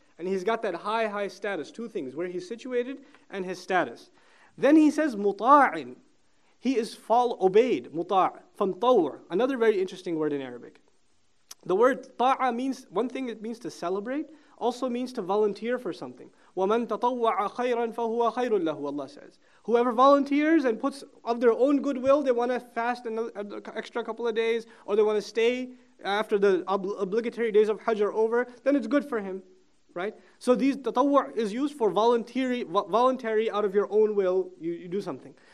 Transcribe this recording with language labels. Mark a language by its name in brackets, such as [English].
[English] And he's got that high status. Two things, where he's situated and his status. Then he says, مُطَاعٍ He is obeyed, muta' from tawr, another very interesting word in Arabic. The word ta'a means, one thing it means to celebrate, also means to volunteer for something. [Arabic] وَمَن تَطَوَّعَ خَيْرًا فَهُوَ خَيْرٌ لَهُ [English] Allah says. Whoever volunteers and puts of their own goodwill, they want to fast an extra couple of days, or they want to stay after the obligatory days of Hajj are over, then it's good for him, right? So these tatawwa is used for voluntary out of your own will, you do something.